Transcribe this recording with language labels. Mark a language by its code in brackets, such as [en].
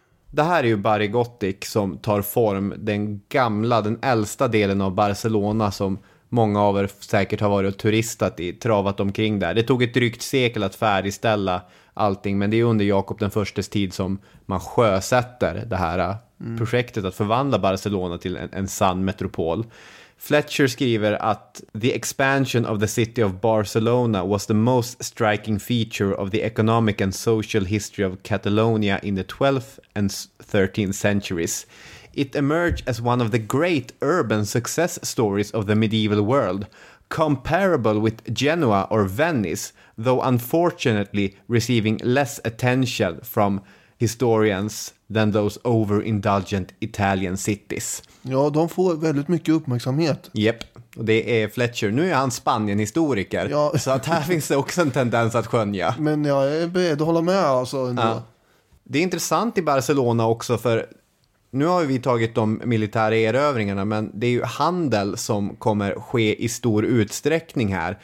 [sv] Det här är ju Barri Gòtic som tar form. Den gamla, den äldsta delen av Barcelona som många av er säkert har varit och turistat i, travat omkring där. Det tog ett drygt sekel att färdigställa allting, men det är under Jakob den förstes tid som man sjösätter det här projektet att förvandla Barcelona till en sann metropol. Fletcher skriver att [en] the expansion of the city of Barcelona was the most striking feature of the economic and social history of Catalonia in the 12th and 13th centuries. It emerged as one of the great urban success stories of the medieval world, comparable with Genoa or Venice, though unfortunately receiving less attention from historians than those overindulgent Italian cities. [sv] Ja, de får väldigt mycket uppmärksamhet. Yep. Och det är Fletcher. Nu är han Spanien-historiker. Ja. Så att här finns det också en tendens att skönja. Men jag är beredd att hålla med alltså ändå. Ja. Det är intressant i Barcelona också, för nu har vi tagit de militära erövringarna, men det är ju handel som kommer ske i stor utsträckning här.